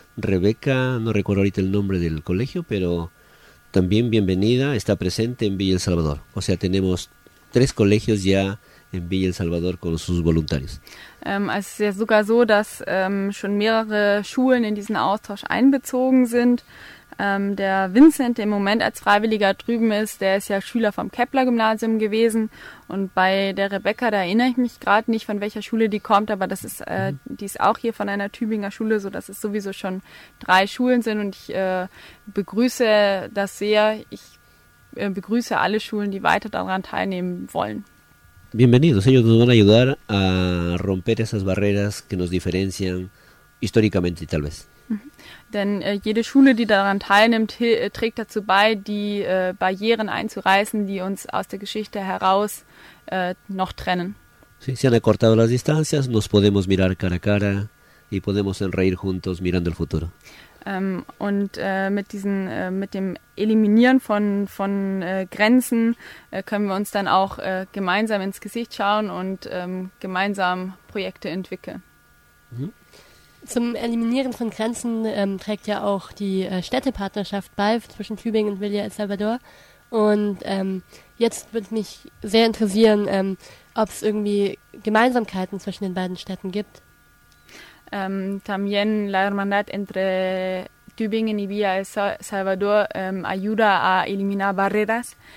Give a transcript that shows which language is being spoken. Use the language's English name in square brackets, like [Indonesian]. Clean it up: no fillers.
[Spanish] Rebeca, no recuerdo ahorita el nombre del colegio, pero también bienvenida, está presente en Villa El Salvador. O sea, tenemos tres colegios ya en Villa El Salvador con sus voluntarios. [German] Es ist ja sogar so, dass schon mehrere Schulen in diesen Austausch einbezogen sind. Der Vincent, der im Moment als Freiwilliger drüben ist, der ist ja Schüler vom Kepler-Gymnasium gewesen. Und bei der Rebecca, da erinnere ich mich gerade nicht, von welcher Schule die kommt, aber das ist, die ist auch hier von einer Tübinger Schule, sodass es sowieso schon drei Schulen sind. Und ich begrüße das sehr. Ich begrüße alle Schulen, die weiter daran teilnehmen wollen. [Spanish] Bienvenidos, ellos nos van a ayudar a romper esas barreras que nos diferencian históricamente, tal vez. [German] Denn jede Schule, die daran teilnimmt, trägt dazu bei, die Barrieren einzureißen, die uns aus der Geschichte heraus noch trennen. [Spanish] Sí, se han acortado las distancias, nos podemos mirar cara a cara y podemos sonreír juntos mirando el futuro. [German] Mit dem Eliminieren von Grenzen können wir uns dann auch gemeinsam ins Gesicht schauen und gemeinsam Projekte entwickeln. Zum Eliminieren von Grenzen trägt ja auch die Städtepartnerschaft bei zwischen Tübingen und Villa El Salvador. Und jetzt würde mich sehr interessieren, ob es irgendwie Gemeinsamkeiten zwischen den beiden Städten gibt. [Spanish] También la hermandad entre Tübingen y Villa El Salvador ayuda a eliminar barreras.